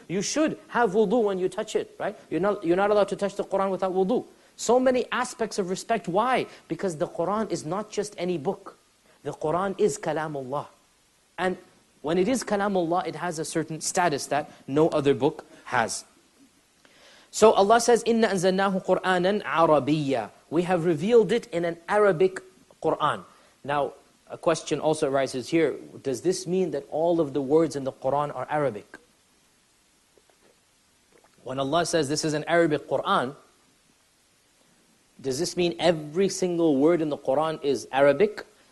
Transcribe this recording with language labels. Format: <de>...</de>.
<en>You should have wudu when you touch it, right? You're not allowed to touch the Qur'an without wudu. So many aspects of respect. Why? Because the Qur'an is not just any book. The Qur'an is Kalamullah. And when it is Kalamullah, it has a certain status that no other book has. So Allah says,</en> <ar>إِنَّ أَنزَلْنَاهُ قُرْآنًا عَرَبِيًّا.</ar> <en>We have revealed it in an Arabic Qur'an. Now, a question also arises here. Does this mean that all of the words in the Qur'an are Arabic? When Allah says this is an Arabic Qur'an, does this mean every single word in the Qur'an is Arabic?</en>